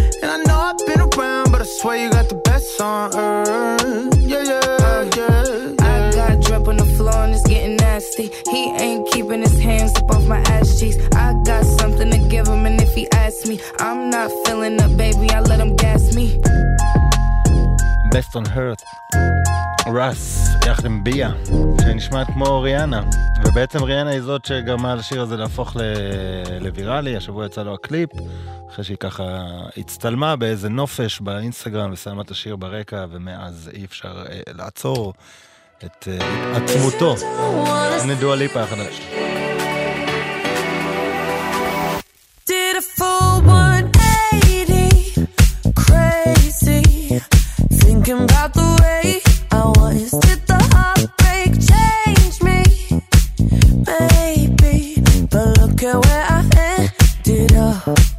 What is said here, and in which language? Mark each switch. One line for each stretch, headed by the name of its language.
English: And I know I've been around, but I swear you got the best on earth. Yeah, yeah, yeah, yeah. I got drip on the floor and it's getting nasty. He ain't keeping his hands up off my ass cheeks. I got something to give him, and if he asks me, I'm not filling up, baby, I let him gas me. Best on earth.
Hebrew: רס, יחד עם ביה, שנשמעת כמו ריאנה. ובעצם ריאנה היא זאת שגרמה לשיר הזה להפוך לוויראלי. השבוע יצא לו הקליפ, אחרי שהיא ככה הצטלמה באיזה נופש באינסטגרם ושמה את השיר ברקע, ומאז אי אפשר לעצור את עצמותו. הנה דואה ליפה החדש.
English: Did a full 180 crazy thinking about the way I was. Did the heartbreak change me? Maybe, but look at where I ended up.